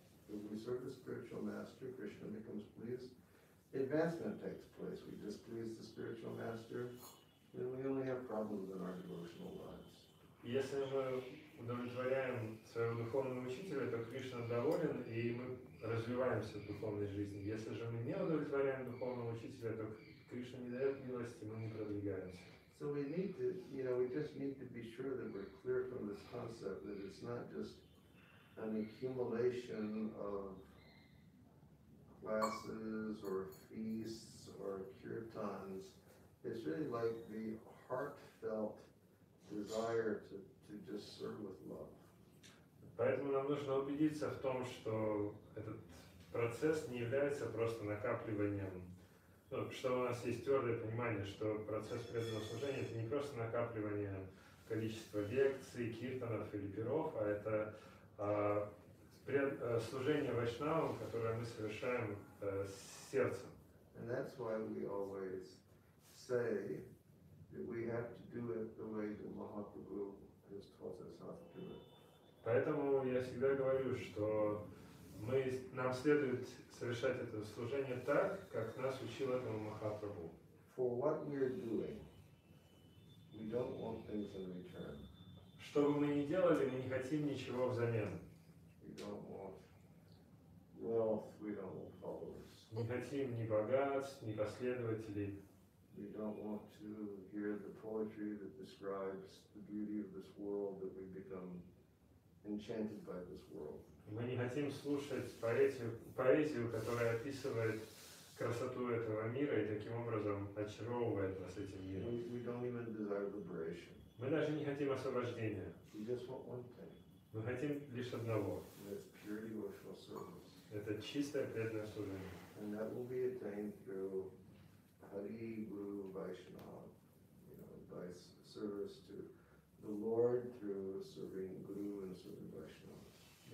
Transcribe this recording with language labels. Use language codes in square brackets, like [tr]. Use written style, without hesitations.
[en] If we serve the spiritual master, Krishna becomes pleased. Advancement takes place. We displease the spiritual master, then we only have problems in our devotional lives. [ru] Если мы удовлетворяем своего духовного учителя, то Кришна доволен, и мы развиваемся в духовной жизни. Если же мы не удовлетворяем духовного учителя, то Кришна не дает милости, мы не продвигаемся. [en] So we need to, you know, we just need to be sure that we're clear from this concept that it's not just an accumulation of classes or feasts or kirtans. It's really like the heartfelt desire to just serve with love. [ru] Поэтому нам нужно убедиться в том, что этот процесс не является просто накапливанием. Ну, что у нас есть твердое понимание, что процесс преданного служения это не просто накапливание количества лекций, киртанов или перов, а это служение Вайшнавам, которое мы совершаем с сердцем. [en] And that's why we always say that we have to do it the way that Mahaprabhu has taught us how to do it. [ru] Поэтому я всегда говорю, что нам следует совершать это служение так, как нас учил этому Махапрабху. [en] For what we are doing, we don't want things in return. [ru] Что бы мы ни делали, мы не хотим ничего взамен. [en] We don't want wealth, we don't want followers. [ru] Не хотим ни богатств, ни последователей. [en] We don't want to hear the poetry that describes the beauty of this world, that we become enchanted by this world. [ru] Мы не хотим слушать поэзию, которая описывает красоту этого мира и таким образом очаровывает нас этим миром. [en] We don't even desire liberation. [ru] Мы даже не хотим освобождения. [en] We just want one thing. [ru] Мы хотим лишь одного. [en] That's pure devotional service. [ru] Это чистое преданное служение. [en] And that will be attained through Hari Guru Vaishnava, you know, by service to the Lord through serving Guru and serving Vaishnava.